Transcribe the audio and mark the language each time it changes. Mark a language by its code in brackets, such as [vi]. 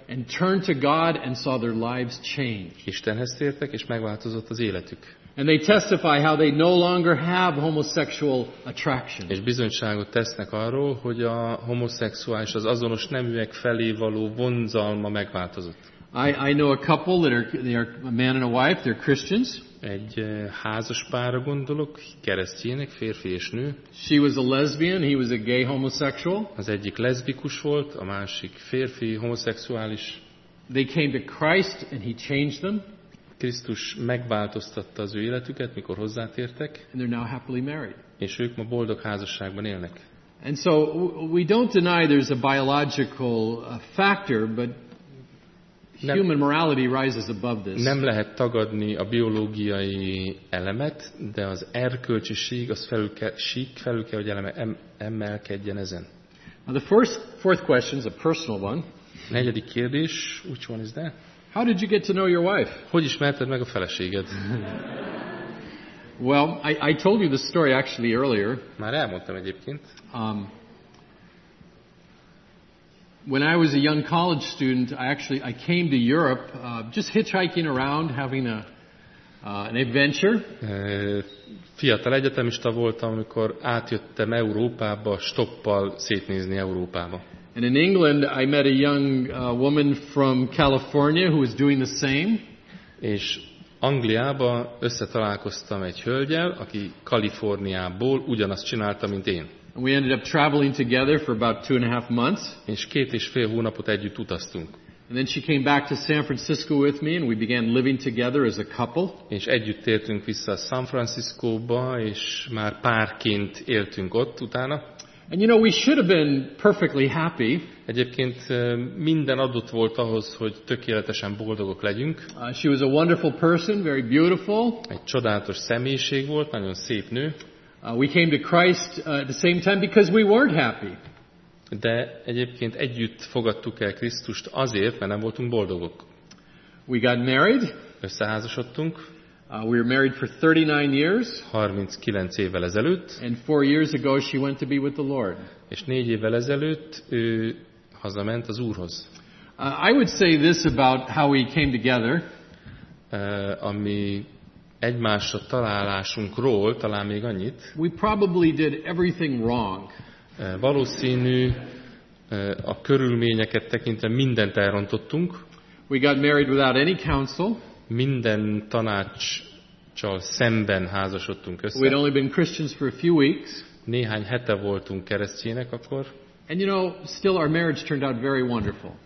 [en] And turned to God and saw their lives change. [hu] Istenhez tértek és megváltozott az életük. [en] And they testify how they no longer have homosexual attraction. [hu] És bizonyságot tesznek arról, hogy a homoszexuális, az azonos neműek felé való vonzalma megváltozott. [en] I know a couple that are, they are a man and a wife, they're Christians. [hu] Egy házas párra gondolok, keresztények, férfi és nő. [en] She was a lesbian, he was a gay homosexual. [hu] Az egyik leszbikus volt, a másik férfi homoszexuális. [en] They came to Christ and he changed them. [hu] Krisztus megváltoztatta az ő életüket, mikor hozzátértek. [en] And they're now happily married. [hu] És ők ma boldog házasságban élnek. [en] And so we don't deny there's a biological factor, but human morality rises above this. [hu] Nem lehet tagadni a biológiai elemet, de az erkölcsiség, az felül kell, hogy eleme emelkedjen ezen. [en] Now the fourth question is a personal one. [hu] Negyedik kérdés, [en] which one is that? How did you get to know your wife? [hu] Hogy ismerted meg a feleséged? [en] Well, I told you the story actually earlier. [hu] Már elmondtam egyébként. [en] When I was a young college student, I came to Europe, just hitchhiking around, having an adventure. [hu] Fiatal egyetemista voltam, amikor átjöttem Európába, stoppal szétnézni Európába. [en] And in England, I met a young woman from California who was doing the same. [hu] És Angliába összetalálkoztam egy hölgyel, aki Kaliforniából ugyanazt csinálta, mint én. [en] We ended up traveling together for about 2.5 months. [hu] És 2.5 hónapot együtt utaztunk. [en] And then she came back to San Francisco with me, and we began living together as a couple. [hu] És együtt tértünk vissza San Franciscóba, és már párként éltünk ott utána. [en] And you know, we should have been perfectly happy. [hu] Egyébként minden adott volt ahhoz, hogy tökéletesen boldogok legyünk. [en] She was a wonderful person, very beautiful. [hu] Egy csodálatos személyiség volt, nagyon szép nő. [en] We came to Christ at the same time because we weren't happy. [hu] De egyébként együtt fogadtuk el Krisztust azért, mert nem voltunk boldogok. [en] We got married. [hu] Összeházasodtunk. [en] We were married for 39 years. [hu] 39 évvel ezelőtt. [en] And 4 years ago she went to be with the Lord. [hu] És 4 évvel ezelőtt ő hazament az Úrhoz. [en] I would say this about how we came together. [hu] Ami egymásra találásunkról talán még annyit. [en] We probably did everything wrong. [hu] Valószínű a körülményeket tekintve mindent elrontottunk. [en] We got married without any counsel. [hu] Minden tanáccsal szemben házasodtunk össze. [en] We'd only been Christians for a few weeks. [hu] Néhány hete voltunk keresztények akkor. [en] And you know, still our marriage turned out very wonderful.